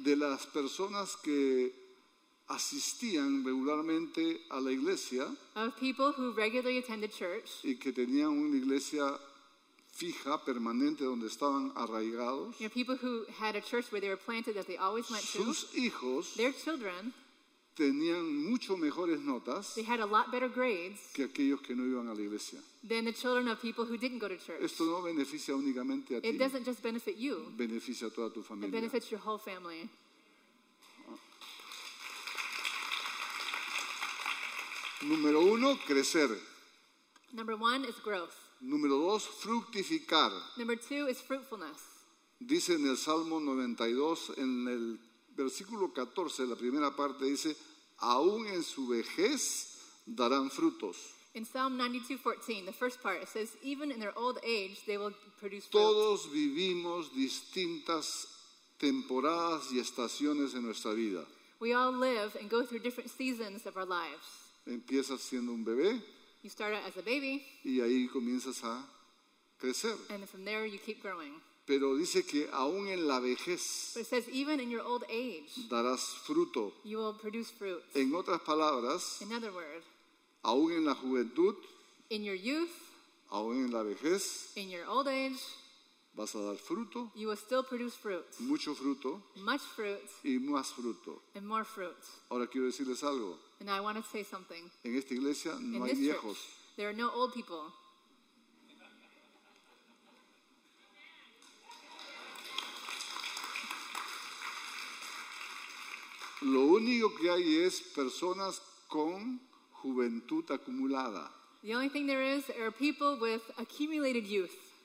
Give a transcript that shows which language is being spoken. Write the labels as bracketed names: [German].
[Spanish] De las personas que asistían regularmente a la iglesia. [English] Of people who regularly attended church. [Spanish] Y que tenían una iglesia fija, permanente, donde estaban arraigados. [English] You know, people who had a church where they were planted that they always went to. [Spanish] Sus hijos. [English] Their children. [Spanish] Tenían mucho mejores notas. [English] They had a lot better grades. [Spanish] Que aquellos que no iban a la iglesia. [English] Than the children of people who didn't go to church. [Spanish] Esto no beneficia únicamente a [English] ti. It doesn't just benefit you. [Spanish] Beneficia a toda tu familia. [English] It benefits your whole family. [Spanish] Número uno, crecer. [English] Number one is growth. [Spanish] Número dos, fructificar. [English] Number two is fruitfulness. [Spanish] Dice en el Salmo 92, en el versículo 14, la primera parte dice, aún en su vejez darán frutos. [English] In Psalm 92:14, the first part, it says, even in their old age, they will produce fruit. [Spanish] Todos vivimos distintas temporadas y estaciones en nuestra vida. [English] We all live and go through different seasons of our lives. [Spanish] Empiezas siendo un bebé. [English] You start out as a baby. [Spanish] Y ahí comienzas a crecer. [English] And from there you keep growing. [Spanish] Pero dice que aún en la vejez. [English] But it says even in your old age. [Spanish] Darás fruto. [English] You will produce fruit. [Spanish] En otras palabras. [English] In other words. [Spanish] Aún en la juventud. [English] In your youth. [Spanish] Aún en la vejez. [English] In your old age. [Spanish] Vas a dar fruto. [English] You will still produce fruit. [Spanish] Mucho fruto. [English] Much fruit. [Spanish] Y más fruto. [English] And more fruit. [Spanish] Ahora quiero decirles algo. [English] And I want to say something. [Spanish] En esta iglesia no [English] in [Spanish] hay [English] this [Spanish] viejos. [English] Church, there are no old people. [Spanish] Lo único que hay es personas con juventud acumulada. [English] The only thing there is are people with accumulated youth.